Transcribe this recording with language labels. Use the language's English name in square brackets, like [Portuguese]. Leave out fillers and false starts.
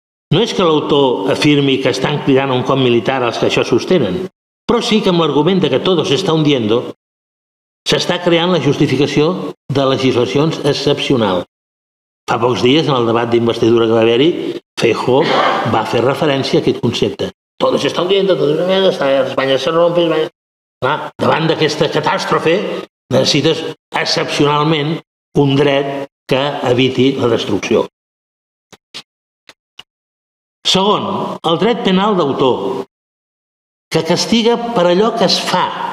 [Catalan] No és que l'autor afirmi que estan cridant un cop militar als que això sostenen, però sí que amb l'argument de que [Spanish] todo se está hundiendo [Catalan] s'està creant la justificació de legislacions excepcionals. Fa pocs dies, en el debat d'investidura que va haver-hi, Feijó va fer referència a aquest concepte. [Spanish] Todo se está hundiendo, todo se está hundiendo, España se rompe, España... [Catalan] Davant d'aquesta catàstrofe necessites excepcionalment un dret que eviti la destrucció. Segon, el dret penal d'autor, que castiga per allò que es fa.